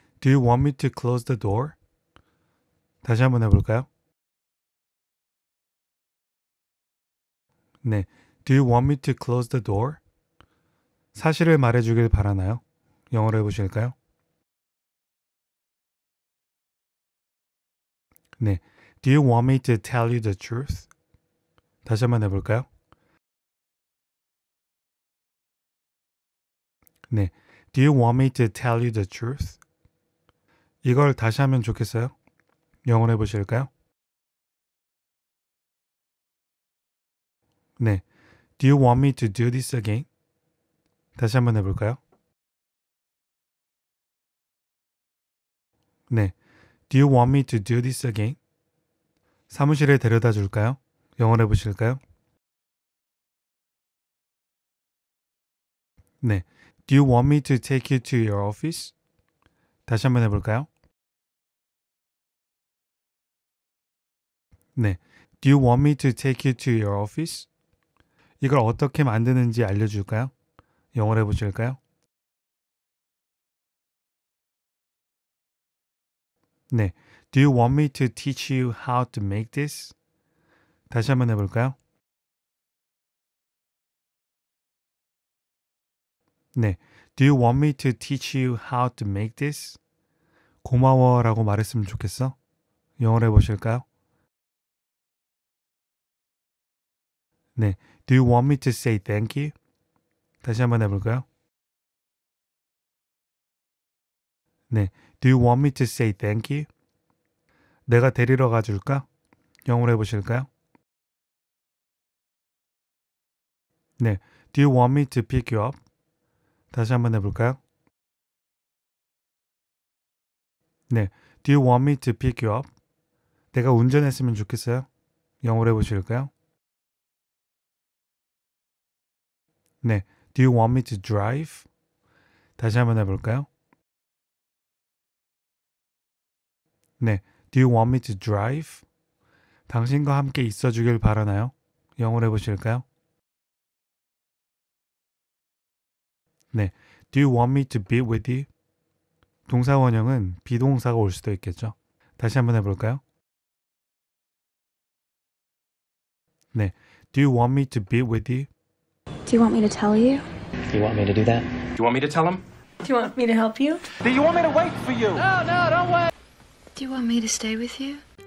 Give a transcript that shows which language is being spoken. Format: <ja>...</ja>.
<en>Do you want me to close the door?</en> <ko>다시 한번 해볼까요? 네.</ko> <en>Do you want me to close the door?</en> <ko>사실을 말해주길 바라나요? 영어로 해보실까요? 네.</ko> <en>Do you want me to tell you the truth?</en> <ko>다시 한번 해볼까요? 네.</ko> <en>Do you want me to tell you the truth?</en> <ko>이걸 다시 하면 좋겠어요? 영어로 해보실까요? 네.</ko> <en>Do you want me to do this again?</en> <ko>다시 한번 해볼까요? 네.</ko> <en>Do you want me to do this again?</en> <ko>사무실에 데려다 줄까요? 영어로 해보실까요? 네.</ko> <en>Do you want me to take you to your office?</en> <ko>다시 한번 해볼까요? 네.</ko> <en>Do you want me to take you to your office?</en> <ko>이걸 어떻게 만드는지 알려줄까요? 영어로 해보실까요? 네.</ko> <en>Do you want me to teach you how to make this?</en> <ko>다시 한번 해볼까요? 네.</ko> <en>Do you want me to teach you how to make this?</en> <ko>고마워라고 말했으면 좋겠어? 영어로 해보실까요? 네.</ko> <en>Do you want me to say thank you?</en> <ko>다시 한번 해볼까요? 네.</ko> <en>Do you want me to say thank you?</en> <ko>내가 데리러 가줄까? 영어로 해보실까요? 네.</ko> <en>Do you want me to pick you up?</en> <ko>다시 한번 해볼까요? 네.</ko> <en>Do you want me to pick you up?</en> <ko>내가 운전했으면 좋겠어요? 영어로 해보실까요?</ko> <en>네. Do you want me to drive?</en> <ko>다시 한번 해볼까요?</ko> <en>네. Do you want me to drive?</en> <ko>당신과 함께 있어주길 바라나요? 영어로 해보실까요?</ko> <en>네. Do you want me to be with you?</en> <ko>동사 원형은 비동사가 올 수도 있겠죠. 다시 한번 해볼까요? 네.</ko> <en>Do you want me to be with you? Do you want me to tell you? Do you want me to do that? Do you want me to tell him? Do you want me to help you? Do you want me to wait for you? No, no, don't wait. Do you want me to stay with you?</en>